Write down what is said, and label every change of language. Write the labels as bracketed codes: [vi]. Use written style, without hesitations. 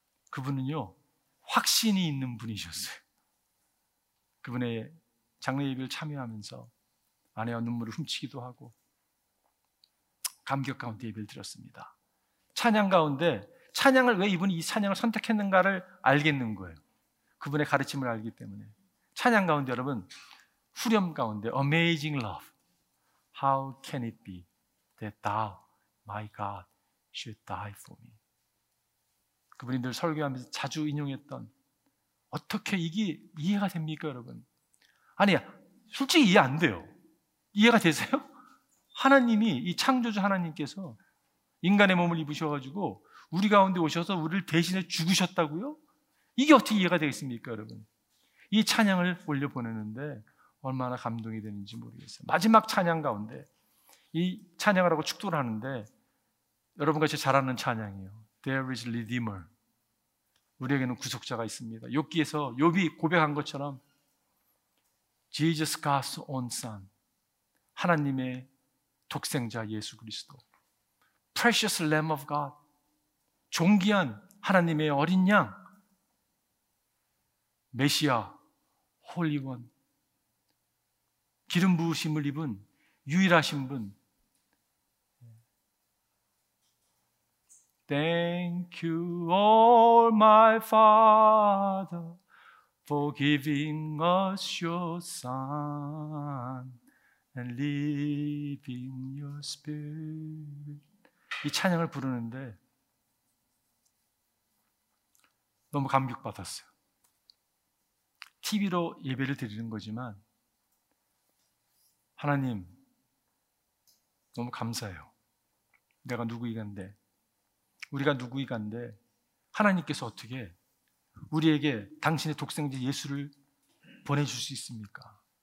[ko] 그분은요 확신이 있는 분이셨어요. 그분의 장례 예배를 참여하면서 아내와 눈물을 훔치기도 하고 감격 가운데 예배를 드렸습니다. 찬양 가운데 찬양을 왜 이분이 이 찬양을 선택했는가를 알겠는 거예요. 그분의 가르침을 알기 때문에 찬양 가운데 여러분 후렴 가운데 [en] Amazing love How can it be that thou My God should die for me. [ko] 그분이 늘 설교하면서 자주 인용했던 어떻게 이게 이해가 됩니까 여러분? 아니 솔직히 이해 안 돼요. 이해가 되세요? 하나님이 이 창조주 하나님께서 인간의 몸을 입으셔가지고 우리 가운데 오셔서 우리를 대신해 죽으셨다고요? 이게 어떻게 이해가 되겠습니까 여러분? 이 찬양을 올려보내는데 얼마나 감동이 되는지 모르겠어요. 마지막 찬양 가운데 이 찬양을 하고 축도를 하는데 여러분과 제가 잘 아는 찬양이에요. [en] There is Redeemer. [ko] 우리에게는 구속자가 있습니다. 욥기에서 욥이 고백한 것처럼 [en] Jesus God's own son [ko] 하나님의 독생자 예수 그리스도 [en] Precious Lamb of God [ko] 존귀한 하나님의 어린 양 메시아 [en] Holy One [ko] 기름 부으심을 입은 유일하신 분 [en] Thank you, all my Father, for giving us your Son and leaving your Spirit. [ko] 이 찬양을 부르는데 너무 감격받았어요. TV로 예배를 드리는 거지만 하나님 너무 감사해요. 내가 누구이간데 우리가 누구이간데 하나님께서 어떻게 우리에게 당신의 독생자 예수를 보내줄 수 있습니까?